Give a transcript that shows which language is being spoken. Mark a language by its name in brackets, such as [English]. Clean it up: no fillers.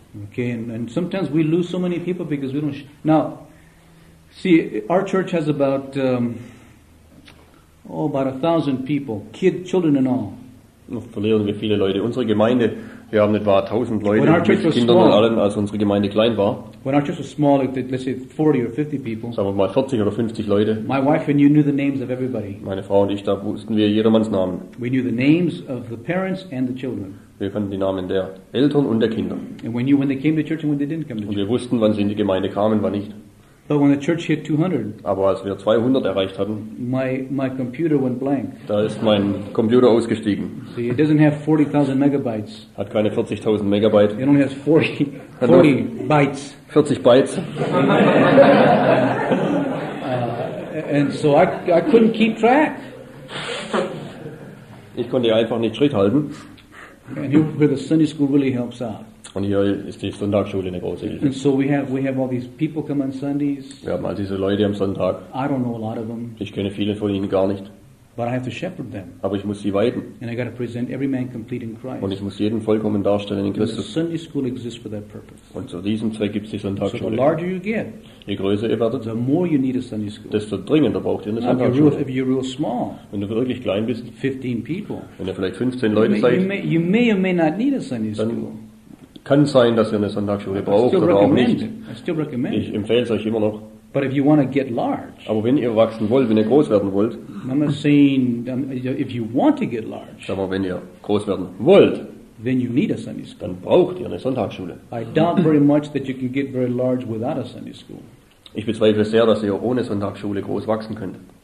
[English] Okay, and sometimes we lose so many people because we don't. Now, see, our church has about 1,000 people, children and all. [German] Noch verlieren wir viele Leute. Unsere Gemeinde, wir haben etwa 1,000 Leute mit Kindern und allen, als unsere Gemeinde klein war. [English] When our church was small, let's say 40 or 50 people. [German] Sagen wir mal 40 oder 50 Leute. [English] My wife and you knew the names of everybody. [German] Meine Frau und ich, da wussten wir jedermanns Namen. [English] We knew the names of the parents and the children. [German] Wir kannten die Namen der Eltern und der Kinder. [English] And we knew when they came to church and when they didn't come to church. [German] Und wir wussten, wann sie in die Gemeinde kamen, wann nicht. [English] But when the church hit 200, [German] aber als wir 200 erreicht hatten, [English] my computer went blank. [German] Da ist mein Computer ausgestiegen. [English] See, it doesn't have 40,000 megabytes. [German] Hat keine 40,000 Megabyte. [English] It only has 40 bytes. [German] 40 bytes. [English] And so I couldn't keep track. [German] Ich konnte einfach nicht Schritt halten. [English] And here, where the Sunday school really helps out. [German] Und hier ist die Sonntagsschule eine große Hilfe. [English] And so we have all these people come on Sundays. [German] Wir haben all diese Leute am Sonntag. [English] I don't know a lot of them. [German] Ich kenne viele von ihnen gar nicht. [English] But I have to shepherd them. [German] Aber ich muss sie weiden. [English] And I got to present every man complete in Christ. [German] Und ich muss jeden vollkommen darstellen in Christus. [English] And the Sunday school exists for that purpose. [German] Und zu diesem Zweck gibt es die Sonntagsschule. [English] So the larger you get, [German] je größer ihr werdet, [English] the more you need a Sunday school. [German] Desto dringender braucht ihr eine Sonntagsschule. [English] If you're real small, [German] wenn du wirklich klein bist, [English] 15 people, [German] wenn ihr vielleicht 15 Leute seid, [English] you may or may not need a Sunday school. [German] Kann sein, dass ihr eine Sonntagsschule braucht oder auch nicht. Ich empfehle es euch immer noch. [English] But if you want to get large, [German] aber wenn ihr wachsen wollt, wenn ihr groß werden wollt, wenn ihr groß werden wollt, [English] then you need a Sunday school. [German] Dann braucht ihr eine Sonntagsschule. [English] I doubt very much that you can get very large without a Sunday school. [German] Ich bezweifle sehr, dass ihr ohne Sonntagsschule groß wachsen könnt.